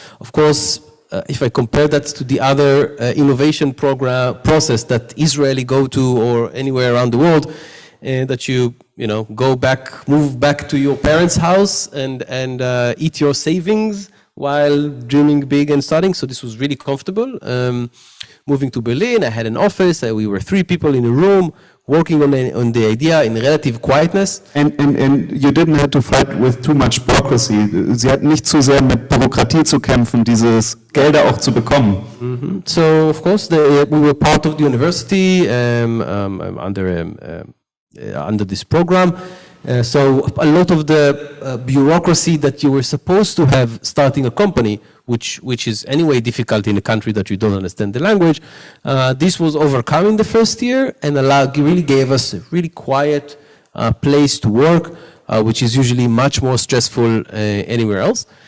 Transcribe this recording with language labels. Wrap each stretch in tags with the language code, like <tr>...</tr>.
<en>Of course, if I compare that to the other innovation program process that Israeli go to or anywhere around the world, that you know, go back, move back to your parents' house and eat your savings while dreaming big and starting. So this was really comfortable. Moving to Berlin, I had an office. We were three people in a room working on the idea in relative quietness. And you didn't have to fight with too much bureaucracy.</en> <de>Sie hatten nicht zu sehr mit Bürokratie zu kämpfen, dieses Gelder auch zu bekommen. Mm-hmm.</de> <en>So, of course, we were part of the university under this program. So a lot of the bureaucracy that you were supposed to have starting a company, which is anyway difficult in a country that you don't understand the language, this was overcome in the first year and really gave us a really quiet place to work, which is usually much more stressful anywhere else.</en>